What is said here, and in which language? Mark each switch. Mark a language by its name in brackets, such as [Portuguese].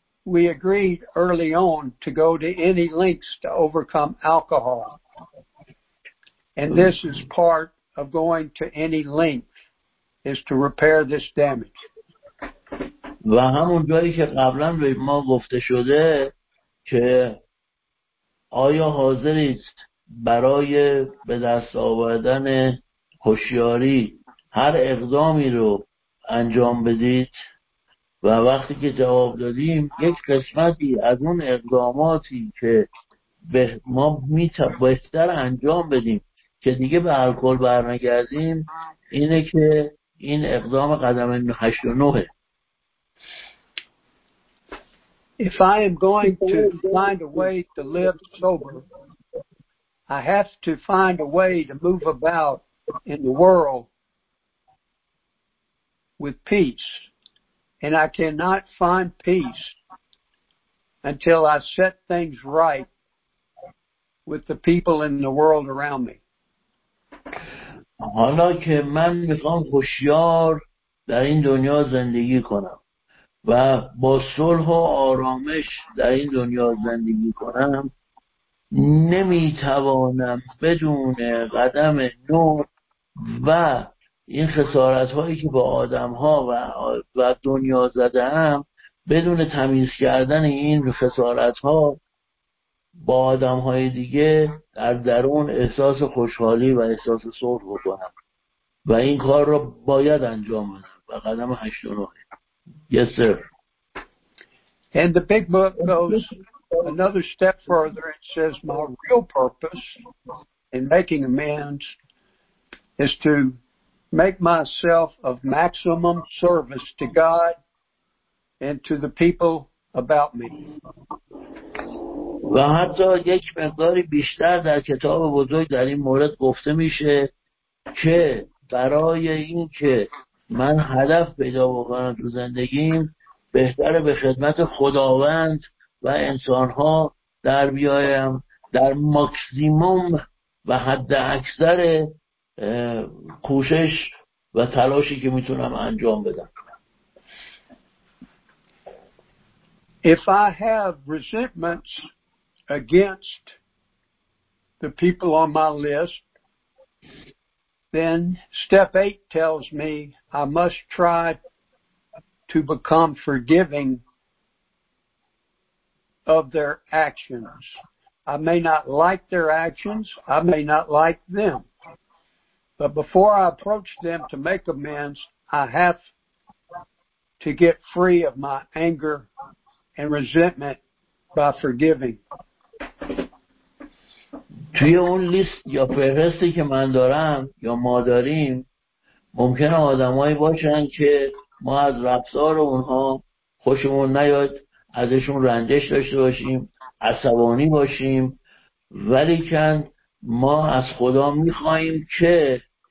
[English] we agreed early on to go to any lengths to overcome alcohol. And this is part of going to any length, is to repair this damage. [Persian] و همون جایی که قبلا به ما گفته شده که آیا حاضرید برای به دست آوردن هوشیاری هر اقدامی رو انجام بدید و وقتی که جواب دادیم یک قسمتی از اون اقداماتی که به ما بهتر انجام بدیم که دیگه به الکل برنگردیم اینه که این اقدام قدم 8 و 9ه. [English] If I am going to find a way to live sober, I have to find a way to move about in the world with peace. And I cannot find peace until I set things right with the people in the world around me. [Persian] حالا که من میخوام هوشیار در این دنیا زندگی کنم و با صلح و آرامش در این دنیا زندگی کنم، نمیتوانم بدون قدم نو و این خسارت هایی که با آدم ها و دنیا زده ام، بدون تمیز کردن این خسارت ها با آدم های دیگه در درون احساس خوشحالی و احساس صلح بکنم و این کار را باید انجام بدم و قدم 8 و 9. [English] Yes, sir. And the big book goes another step further and says my real purpose in making amends is to make myself of maximum service to God and to the people about me. [Persian] و حتی یک مقداری بیشتر در کتاب بزرگ در این مورد گفته میشه که برای این که من هدف پیدا بکنم تو زندگیم بهتره به خدمت خداوند و انسانها در بیایم در ماکسیموم و حد اکثر کوشش و تلاشی که میتونم انجام بدم. [English] If I have resentments against the people on my list, then step 8 tells me I must try to become forgiving of their actions. I may not like their actions, I may not like them, but before I approach them to make amends, I have to get free of my anger and resentment by forgiving. [Persian] توی اون لیست یا فهرستی که من دارم یا ما داریم ممکنه آدمایی باشن که ما از رفتار اونها خوشمون نیاد، ازشون رنجش داشته باشیم، عصبانی باشیم، ولیکن ما از خدا میخواییم که